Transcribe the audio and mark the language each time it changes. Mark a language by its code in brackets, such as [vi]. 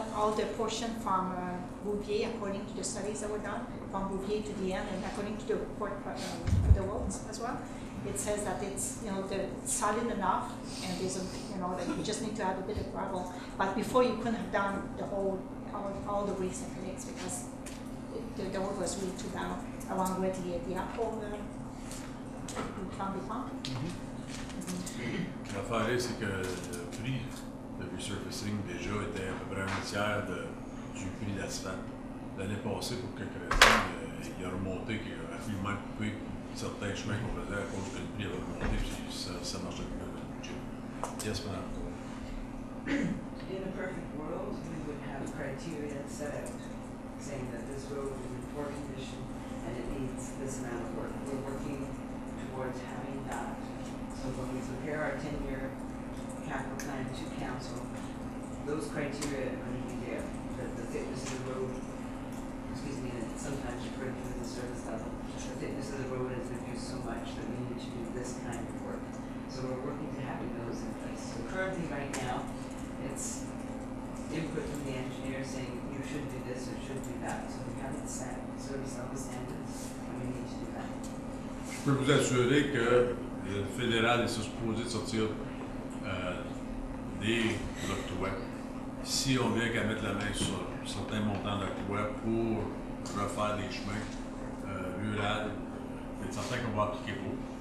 [en] All the portion from Bouvier, according to the studies that were done, from Bouvier to the end, and according to the report for the roads as well, it says that it's solid enough, and there's that you just need to add a bit of gravel. But before, you couldn't have done the whole all the ways and connects because the road was really too down, along with the apple. [fr] L'affaire est que le prix de resurfacing déjà était à peu près un tiers du prix d'asphalte. L'année passée, pour quelques raisons, il a remonté, il a rapidement coupé certains chemins qu'on faisait à cause que le prix avait remonté, puis ça marche plus dans le budget. [en] Yes, madame. In a perfect world, we would have criteria set out saying that this road is in poor condition and it needs this amount of work. We're working towards having that. So when we prepare our 10-year capital plan to council, those criteria are going to be there. The fitness of the road, sometimes referred to the service level, the fitness of the road has reduced so much that we need to do this kind of work. So we're working to having those in place. So currently right now, it's input from the engineer saying you should do this or should do that. So we haven't set service level standards and we need to do that. [fr] Je peux vous assurer que le fédéral est supposé de sortir des octrois. Si on vient qu'à mettre la main sur certains montants d'octrois pour refaire des chemins rurales, c'est certain qu'on va appliquer pour.